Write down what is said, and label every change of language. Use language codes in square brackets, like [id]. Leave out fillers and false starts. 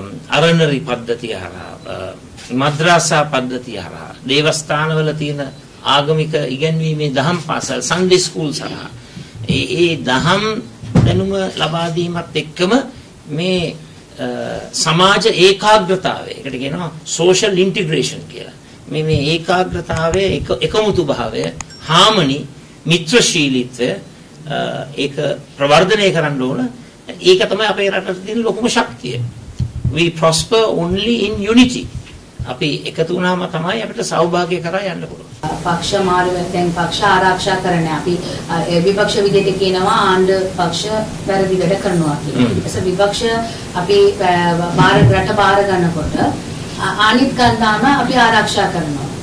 [si] අරණරි පද්ධතිය හරහා, මද්‍රාසා පද්ධතිය හරහා, දේවස්ථානවල තියෙන ආගමික ඉගැන්වීමේ දහම් පාසල් සන්ඩේ ස්කූල් හරහා ඒ දහම් දැනුම ලබා දීමත් එක්කම මේ සමාජ ඒකාග්‍රතාවය, ඒකට කියනවා සෝෂල් ඉන්ටිග්‍රේෂන් කියලා, මේ ඒකාග්‍රතාවය, එකමුතු භාවය, හාමනි, මිත්‍රශීලීත්වය ඒක ප්‍රවර්ධනය කරන්න ඕන. ඒක තමයි අපේ රටට තියෙන ලොකුම ශක්තිය. [en] We prosper only in unity. [si] අපි එකතු වුණාම තමයි අපිට සෞභාග්‍ය කරා යන්න පුළුවන්. පක්ෂ මාරුවෙන් පක්ෂ ආරක්ෂා කරන අපි විපක්ෂ විදිහට කියනවා ආණ්ඩ පක්ෂ වැරදිවැඩ කරනවා කියලා. ඒක විපක්ෂ අපි බාර රට බාර ගන්නකොට අනිත් කන්දම අපි ආරක්ෂා කරනවා.